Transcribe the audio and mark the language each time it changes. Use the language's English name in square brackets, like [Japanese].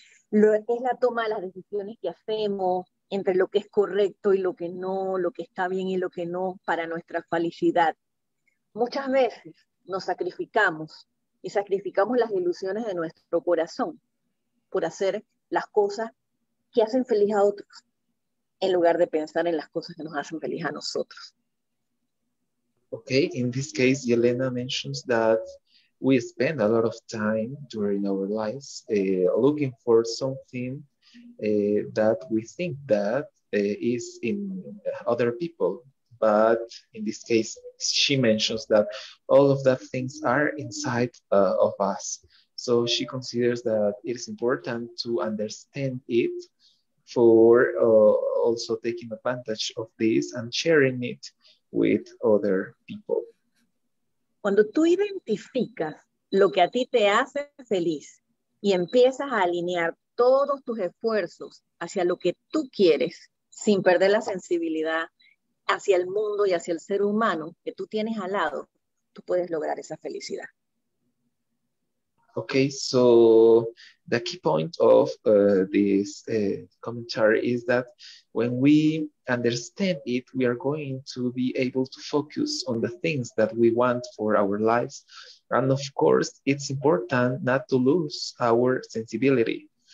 [Spanish] Es la toma de las decisiones que hacemos entre lo que es correcto y lo que no, lo que está bien y lo que no para nuestra felicidad. Muchas veces nos sacrificamos y sacrificamos las ilusiones de nuestro corazón por hacer las cosas que hacen feliz a otros, en lugar de pensar en las cosas que nos hacen feliz a nosotros. [English] Okay, in this case, Yelena mentions that we spend a lot of time during our lives looking for something that we think that is in other people. But in this case, she mentions that all of that things are inside of us. So she considers that it is important to understand it for also taking advantage of this and sharing it with other people. [Spanish] Cuando tú identificas lo que a ti te hace feliz y empiezas a alinear todos tus esfuerzos hacia lo que tú quieres sin perder la sensibilidad hacia el mundo y hacia el ser humano que tú tienes al lado, tú puedes lograr esa felicidad. [English] Okay, so the key point of this commentary is that when we understand it, we are going to be able to focus on the things that we want for our lives. And of course, it's important not to lose our sensibility.